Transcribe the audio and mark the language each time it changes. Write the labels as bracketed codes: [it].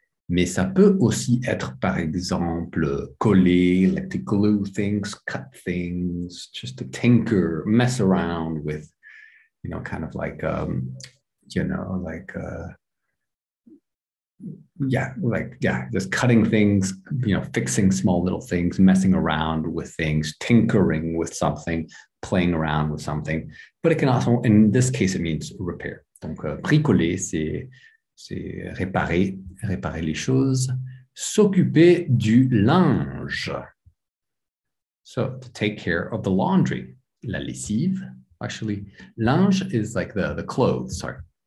[fr] Mais ça peut aussi être, par exemple, coller, [en] like to glue things, cut things, just to tinker, mess around with, you know, kind of like, you know, like, yeah, like, yeah, just cutting things, you know, fixing small little things, messing around with things, tinkering with something, playing around with something. But it can also, in this case, it means repair. [fr] Donc, bricoler, c'est réparer, réparer les choses, s'occuper du linge. [en] So, to take care of the laundry, la lessive, actually, linge is like the clothes, sorry.